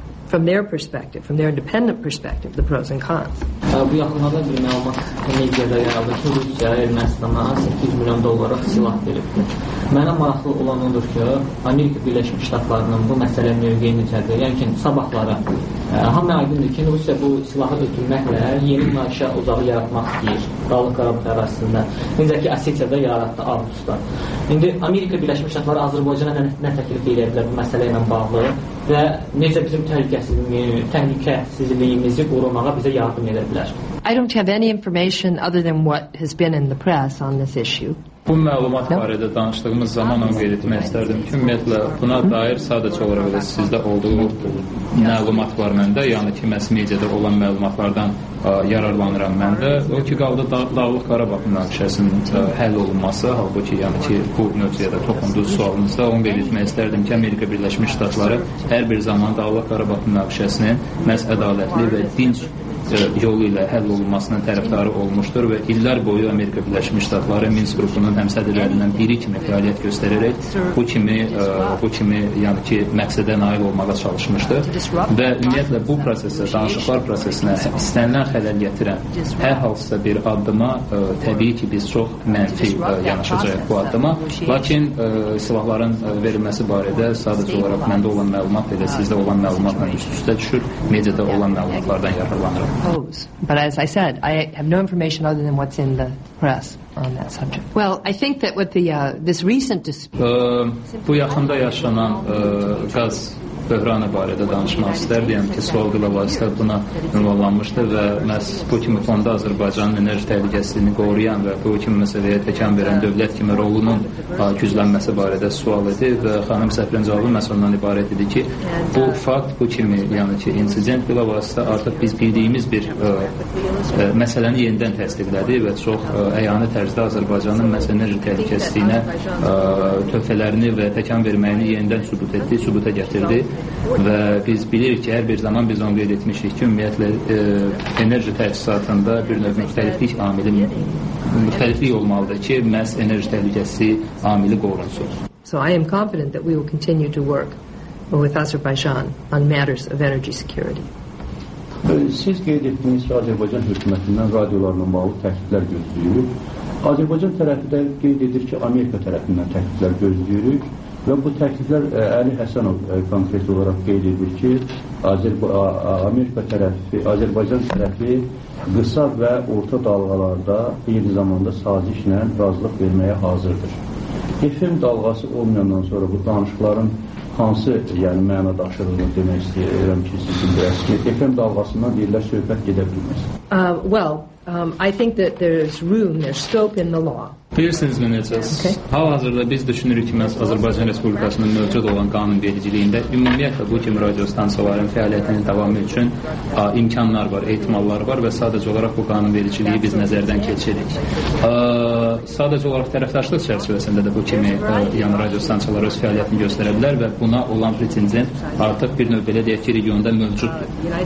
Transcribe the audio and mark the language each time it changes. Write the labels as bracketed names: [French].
[English] From their perspective, from their independent perspective, the pros and cons. [Azerbaijani] Bu yaxınlarda bir məlumat mediada yayıldı ki, Rusiya Ermənistana 8 milyon dollara silah veribdir. Mənə maraqlı olan odur ki, Amerika Birləşmiş Ştatlarının bu məsələ mövqeyini cədir. Yəni ki, sabahlara hamı aydındır ki, Rusiya bu silahı ötürməklə yeni münaqişə ocağı yaratmaq istəyir Dağlıq Qarabağ ərazisində. Necə ki, Ossetiyada yaratdı avqustda. İndi Amerika Birləşmiş Ştatları Azərbaycana nə təklif edə bilər bu məsələ ilə bağlı? Və necə bizim təhlükəsizliyimizi qorumağa bizə yardım edə bilər? [English] I don't have any information other than what has been in the press on this issue. [Azerbaijani] Bu məlumat barədə danışdığımız zaman onu qeyd etmək istərdim ki, ümumiyyətlə, buna dair sadəcə olaraq sizdə olduğu məlumat var məndə, yəni ki, məhz mediada olan məlumatlardan yararlanıram məndə. O ki, qaldı Dağlıq Qarabağ münaqişəsinin həll olunması, halbuki, yəni ki, bu mövzuya toxunduğu sualınızda onu qeyd etmək istərdim ki, Amerika Birləşmiş Ştatları hər bir zaman Dağlıq Qarabağ münaqişəsinin məhz ədalətli və dinc yolu ilə həll olunmasının tərəfdarı olmuşdur və illər boyu Amerika Birləşmiş Ştatları Minsk qrupunun həmsədrlərindən biri kimi fəaliyyət göstərərək bu kimi yəni ki məqsədə nail olmağa çalışmışdır və ümumiyyətlə bu prosesə, danışıqlar prosesinə istənilən xələl gətirən hər hansısa bir addıma təbii ki biz çox mənfi yanaşacağıq bu addıma, lakin silahların verilməsi barədə sadəcə olaraq məndə olan məlumat belə sizdə olan məlumatla üst-üstə düşür, mediada olan məlumatlardan yararlanıram. [English] But as I said, I have no information other than what's in the press on that subject. Well, I think that with the this recent dispute, [Azerbaijani] bu yaxında yaşanan qaz böhranı barədə danışmaq istərdim ki, sorğuyla vasitə buna ünvanlanmışdı və məhz bu kimi fonda Azərbaycanın enerji təhlükəsizliyini qoruyan və bu kimi məsələyə təkan verən dövlət kimi rolunun güclənməsi barədə sual idi və xanım səfirin cavabı məhz ondan ibarət idi ki, bu fakt, bu kimi, yəni ki, insident bilə vasitə artıq biz bildiyimiz bir məsələni yenidən təsdiqlədi və çox əyanı tərzdə Azərbaycanın məhz enerji təhlükəsizliyinə töhfələrini və təkan verməyini yenidən sübut etdi, sübuta gətirdi. Və biz bilirik ki, hər bir zaman biz onu qeyd etmişik ki, ümumiyyətlə enerji təhsilatında bir növ müxtəliflik amili, müxtəliflik olmalıdır ki, məhz enerji təhlükəsi amili qorunsun. [English] So I am confident that we will continue to work with Azerbaijan on matters of energy security. [Azerbaijani] Siz qeyd etdiniz ki, Azərbaycan hökumətindən radiolarla bağlı təhdidlər gözləyirik. Azərbaycan tərəfi də qeyd edir ki, Amerika tərəfindən təhdidlər gözləyirik. Və bu təhdidlər Əli Həsənov konkret olaraq qeyd edir ki, Amerika tərəfi, Azərbaycan tərəfi qısa və orta dalğalarda eyni zamanda sazişlə razılıq verməyə hazırdır. Efem dalğası olmayandan sonra bu danışıqların hansı yəni məna daşıdığını demək istəyirəm ki, siz biləsiniz ki, efem dalğasından deyirlər söhbət gedə bilməz. [English] I think that there's room, there's scope in the law. [Azerbaijani] Bilirsiniz mi necəsiz? Hal-hazırda biz düşünürük ki, məhz Azərbaycan Respublikasının mövcud olan qanun vericiliyində ümumiyyətlə bu kimi radiostansiyaların fəaliyyətinin davamı üçün imkanlar var, ehtimallar var və sadəcə olaraq bu qanun vericiliyi biz nəzərdən keçirik. Sadəcə olaraq tərəfdaşlıq çərçivəsində də bu kimi yəni radiostansiyalar öz fəaliyyətini göstərə bilər və buna olan pretendent artıq bir növ belə deyək ki, regionda mövcuddur.